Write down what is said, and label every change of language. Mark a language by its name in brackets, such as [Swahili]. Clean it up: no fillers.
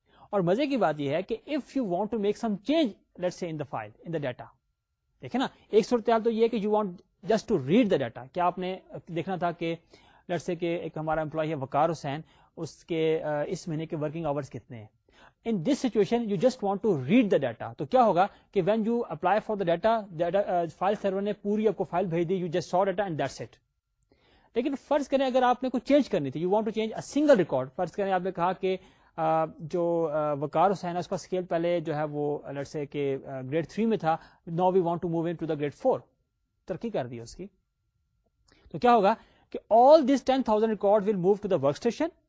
[Urdu] اور مزے کی بات یہ ہے کہ [English] if you want to make some change [Urdu] let's say in the file, in the data, دیکھیں نا، ایک صورتحال تو یہ کہ [English] you want just to read the data, [Urdu] کیا آپ نے دیکھنا تھا کہ لیٹس سے کہ ایک ہمارا امپلائی ہے وقار حسین، اس کے اس مہینے کے ورکنگ آورز کتنے ہیں. [English] In this situation, you just want to read the data. [Urdu] تو کیا ہوگا کہ [English] when you apply for the data, [Urdu] file سرور نے پوری آپ کو فائل بھیج دی، [English] You just so data and that's it. [Urdu] لیکن فرض کریں اگر آپ نے کوئی چینج کرنی تھی، [English] you want to change a single record, [Urdu] فرض کریں آپ نے کہا کہ جو وقار حسین اس کا اسکیل پہلے جو ہے وہ لیٹس سے کہ گریڈ 3 میں تھا، [English] now we want to move into the grade 4، [Urdu] ترقی کر دی اس کی، تو کیا ہوگا کہ [English] All this 10,000 record will move to the work station.